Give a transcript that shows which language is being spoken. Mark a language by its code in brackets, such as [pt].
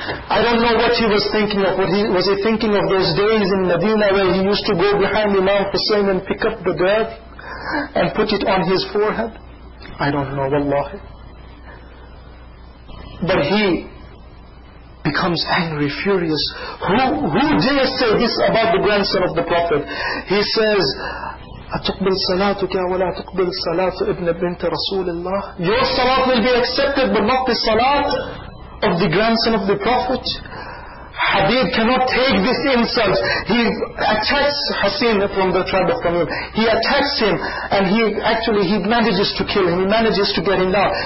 [en] I don't know what he was thinking of. Was he thinking of those days in Medina where he used to go behind Imam Hussein and pick up the dirt and put it on his forehead? I don't know, wallahi. But he becomes angry, furious. Who dare say this about the grandson of the Prophet? He says, [ar] أَتُقْبِلْ صَلَاتُكَ وَلَا تُقْبِلْ صَلَاتُ إِبْنَ بِنْتَ رَسُولِ اللَّهِ. [en] Your salat will be accepted, but not the salat of the grandson of the Prophet. Habib cannot take this insult. He attacks Hassin from the tribe of Tamim. He attacks him and he manages to get him down.